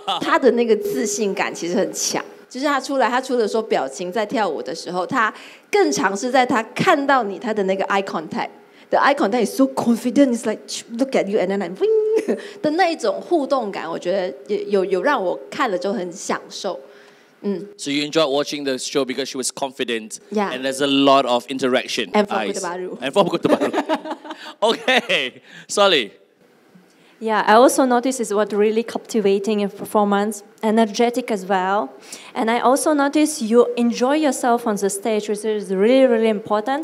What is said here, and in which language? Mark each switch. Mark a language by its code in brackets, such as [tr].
[zh] 他的那个自信感其实很强。就是他出来，他除了说表情，在跳舞的时候，他更尝试在他看到你，他的那个 eye contact. [en] The eye contact is so confident, it's like look at you and then like wing. [zh] 的那一种互动感，我觉得有让我看了就很享受。 [en] So you enjoyed watching the show because she was confident. Yeah. And there's a lot of interaction. And for Kota Baru. And for Kota Baru. Okay. Sorry. Yeah, I also noticed it's what really captivating in performance, energetic as well. And I also noticed you enjoy yourself on the stage, which is really, really important.